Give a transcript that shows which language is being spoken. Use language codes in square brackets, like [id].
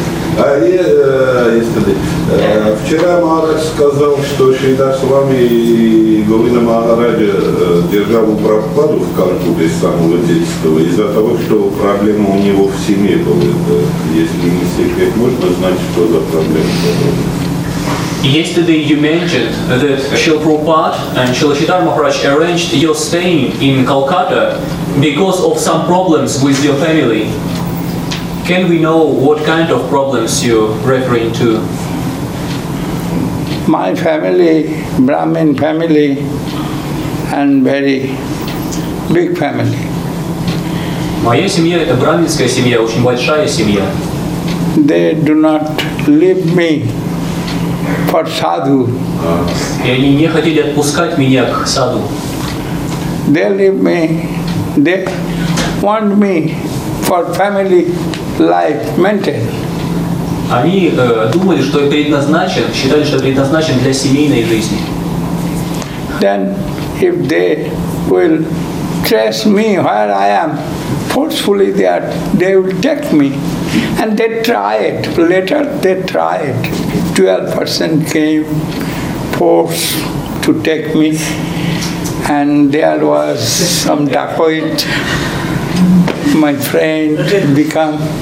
[ru] Вчера Махарадж сказал, что Шридхар Свами Говинда Махарадж держал у Прабхупады в Калькутте с самого детства из-за того, что проблема у него в семье была. Это, если не секрет, можно знать, что за проблема была? [en] Yesterday you mentioned that Srila Prabhupada and Srila Chaitanya Maharaj arranged your staying in Calcutta because of some problems with your family. Can we know what kind of problems you're referring to? My family, Brahmin family, and very big family. [ru] Моя семья – это браминская семья, очень большая семья. [en] They do not leave me. For sadhu. [ru] И они не хотели отпускать меня к саду. [en] They leave me. They want me for family life maintain. [ru] Они думали, что я предназначен, считали, что я предназначен для семейной жизни. [en] Then if they will trace me where I am, forcefully they will take me. And they try it. Later they try it. 12% came force to take me, and there was some dacoit, my friend, become.